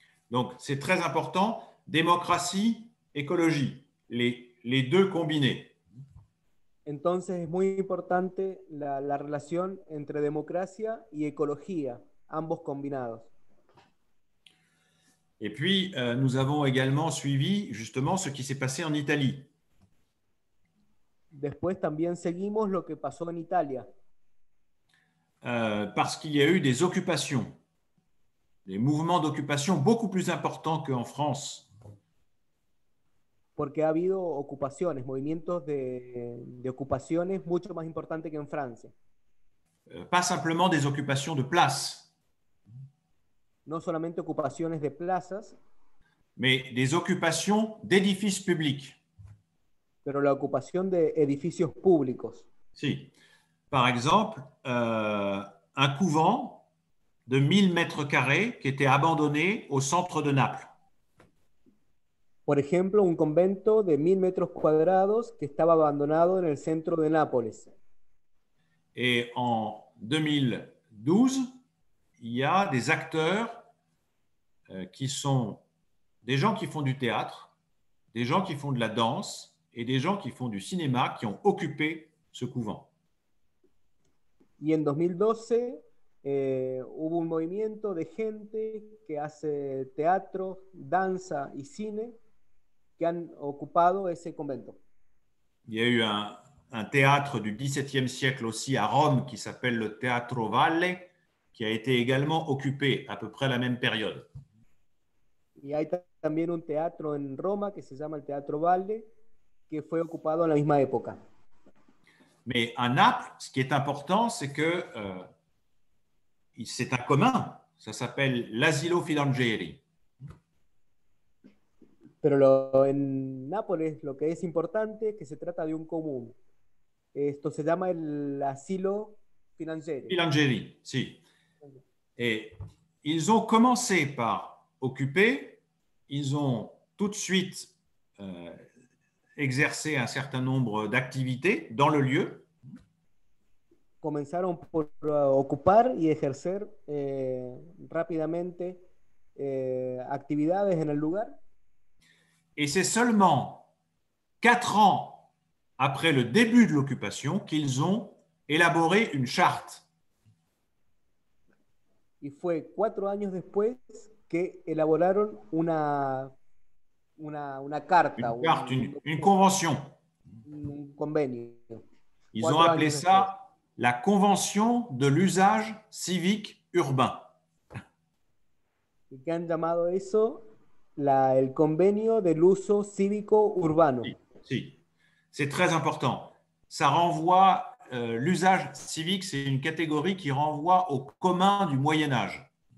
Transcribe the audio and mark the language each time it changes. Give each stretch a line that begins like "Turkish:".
French: Donc c'est très important. Démocratie, écologie, les deux combinés.
Spanish: Entonces es muy importante la relación entre democracia y ecología, ambos combinados.
French: Et puis nous avons également suivi justement ce qui s'est passé en Italie.
Spanish: Después también seguimos lo que pasó en Italia.
French: parce qu'il y a eu des occupations, des mouvements d'occupation beaucoup plus importants qu'en France.
Spanish: Porque ha habido ocupaciones, movimientos de ocupaciones mucho más importantes que en Francia.
French: Pas simplement des occupations de place.
Spanish: No solamente ocupaciones de plazas,
French: mais des occupations d'édifices publics.
Spanish: Pero la ocupación de edificios públicos. Sí.
French: Par exemple, un couvent de 1000 mètres carrés qui était abandonné au centre de Naples.
Spanish: Por ejemplo, un convento de 1000 metros cuadrados que estaba abandonado en el centro de Nápoles.
French: Et en 2012, il y a des acteurs qui sont des gens qui font du théâtre, des gens qui font de la danse et des gens qui font du cinéma qui ont occupé ce couvent.
Spanish: Y en 2012 hubo un movimiento de gente que hace teatro, danza y cine que han ocupado ese convento.
French: Il y a eu un théâtre du XVIIe siècle aussi à Rome qui s'appelle le Teatro Valle qui a été également occupé à peu près la même période.
Spanish: Y hay también un teatro en Roma que se llama el Teatro Valle que fue ocupado en la misma época.
French: Mais à Naples, ce qui est important, c'est que c'est un commun. Ça s'appelle l'Asilo Filangieri.
Spanish: Pero en Nápoles, lo que es importante es que se trata de un común. Esto se llama el Asilo Filangieri. Filangieri, sí.
French: Et ils ont commencé par occuper. Ils ont tout de suite exercé un certain nombre d'activités dans le lieu.
Spanish: Comenzaron por ocupar y ejercer rápidamente actividades en el lugar.
French: Et c'est seulement 4 ans après le début de l'occupation qu'ils ont élaboré une charte.
Spanish: Y fue 4 años después que elaboraron una carta.
French: Une carte, une convention.
Spanish: Un convenio.
French: Ils ont appelé ça la convention de l'usage civique urbain.
Spanish: Y que han llamado eso el convenio del uso cívico urbano. Sí, sí.
French: C'est très important. Ça renvoie, l'usage civique, c'est une catégorie qui renvoie au commun du Moyen-Âge.